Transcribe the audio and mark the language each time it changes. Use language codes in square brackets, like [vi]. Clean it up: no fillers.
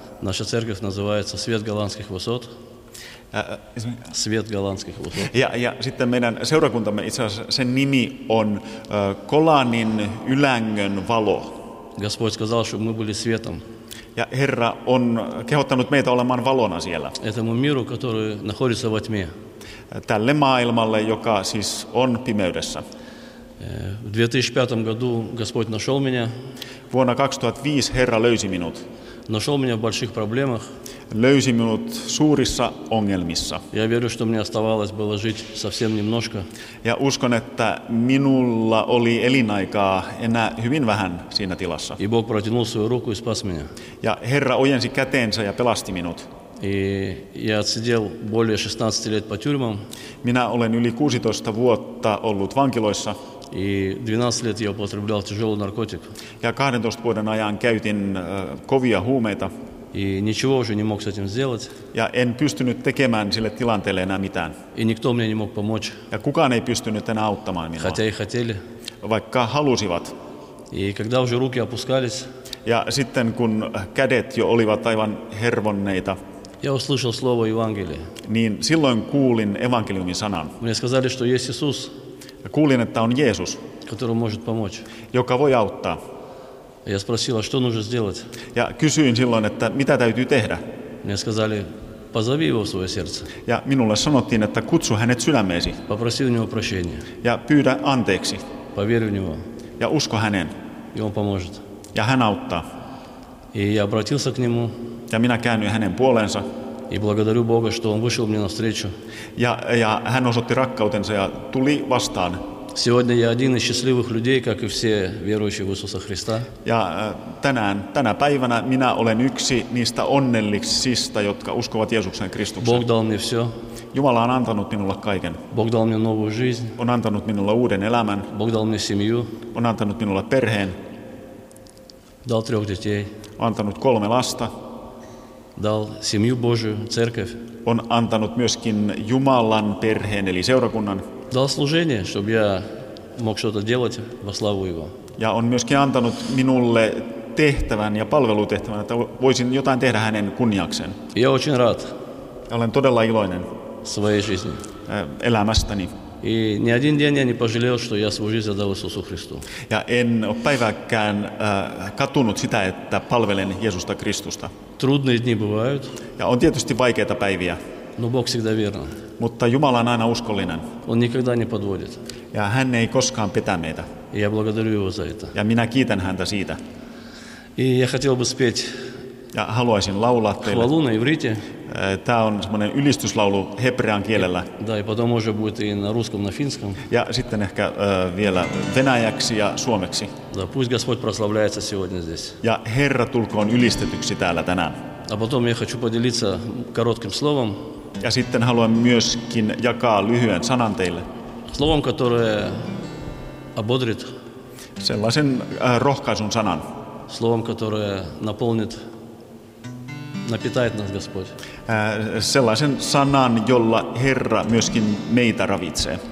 [ru] Наша церковь называется Свет голландских высот. Свет голландских высот. [fi] Ja sitten meidän seurakuntamme itse asiassa sen nimi on Golanin ylängön valo. [ru] Господь сказал, что мы были светом. [fi] Ja Herra on kehottanut meitä olemaan valona siellä. [ru] Этому миру, который находится во тьме. [fi] Tälle maailmalle, joka siis on pimeydessä. [ru] В 2005 году Господь нашел меня. [fi] Vuonna 2005 Herra löysi minut. [ru] Нашел меня в больших проблемах. [fi] Löysi minut suurissa ongelmissa. [ru] Я верю, что мне оставалось было жить совсем немножко. [fi] Ja uskon, että minulla oli elinaikaa enää hyvin vähän siinä tilassa. [ru] И Бог протянул свою руку и спас меня. [fi] Ja Herra ojensi käteensä ja pelasti minut. [ru] И я отсидел более 16 лет по тюрьмам. [fi] Minä olen yli 16 vuotta ollut vankiloissa. [ru] И 12 лет я употреблял тяжелый наркотик. [fi] Ja 12 vuoden ajan käytin kovia huumeita. [ru] И ничего уже не мог с этим сделать. [fi] Ja en pystynyt tekemään sille tilanteelle enää mitään. [ru] И никто мне не мог помочь. [fi] Ja kukaan ei pystynyt enää auttamaan minua. [ru] Хотя и хотели. [fi] Vaikka halusivat. [ru] И когда уже руки опускались. [fi] Ja sitten kun kädet jo olivat aivan hervonneita. [ru] Я услышал слово Евангелие. [fi] Niin silloin kuulin evankeliumin sanan. [ru] Мне сказали, что есть Иисус. [fi] Ja kuulin, että on Jeesus. [ru] Который может помочь. [fi] Joka voi auttaa. [ru] Я спросил, а что нужно сделать? [fi] Ja kysyin silloin, että mitä täytyy tehdä? [ru] Мне сказали, позови его в свое сердце. [fi] Ja minulle sanottiin, että kutsu hänet sydämeesi. [ru] Попроси у него прощения. [fi] Ja pyydä anteeksi. [ru] Поверь в него. [fi] Ja usko häneen. [ru] И он поможет. [fi] Ja hän auttaa. [ru] И я обратился к нему. [fi] Ja minä käännyin hänen puoleensa. [ru] И благодарю Бога, что он вышел мне навстречу. [fi] Ja hän osoitti rakkautensa ja tuli vastaan. [ru] Сегодня я один из счастливых людей, как и все верующие в Иисуса Христа. [fi] Ja tänä päivänä minä olen yksi niistä onnellisista, jotka uskovat Jeesukseen Kristukseen. [ru] Бог дал мне все. [fi] Jumala on antanut minulle kaiken. [ru] Бог дал мне новую жизнь. [fi] On antanut minulle uuden elämän. [ru] Бог дал мне семью. [fi] On antanut minulle perheen. [ru] Дал трех детей. [fi] On antanut kolme lasta. [ru] Дал семью Божию, церковь. [fi] On antanut myöskin Jumalan perheen, eli seurakunnan. [ru] Дал служение, чтобы я мог что-то делать во славу Его. [fi] Ja on myöskin antanut minulle tehtävän ja palvelutehtävän, että voisin jotain tehdä hänen kunniakseen. [ru] Я очень рад. [fi] Olen todella iloinen. [ru] Своей жизни. [fi] Elämästäni. [ru] И ни один день я не пожалел, что я свою жизнь отдал Иисусу Христу. [fi] Ja en ole päivääkään katunut sitä, että palvelen Jeesusta Kristusta. [ru] Трудные дни бывают. [fi] Ja on tietysti vaikeita päiviä. [ru] Но Бог всегда верен. [fi] Mutta Jumala on aina uskollinen. [ru] Он никогда не подводит. [fi] Ja hän ei koskaan petä meitä. [ru] И я благодарю его за это. [fi] Ja minä kiitän häntä siitä. [ru] И я хотел бы спеть [fi] Ja haluaisin laulaa teille. [ru] Хвалу на иврите. [fi] Tämä on semmoinen ylistyslaulu hebrean kielellä. [ru] Да, и потом уже будет и на русском, на финском. [fi] Ja sitten ehkä vielä venäjäksi ja suomeksi. [ru] Да, пусть Господь прославляется сегодня здесь. [fi] Ja Herra tulkoon ylistetyksi täällä тänään. [ru] А потом я хочу поделиться коротким словом. [fi] Ja sitten haluan myöskin jakaa lyhyen sanan teille. [ru] Словом, которое ободрит. [fi] Sellaisen rohkaisun sanan. [ru] Словом, которое наполнит, напитает нас Господь. [fi] Sellaisen sanan, jolla Herra myöskin meitä ravitsee.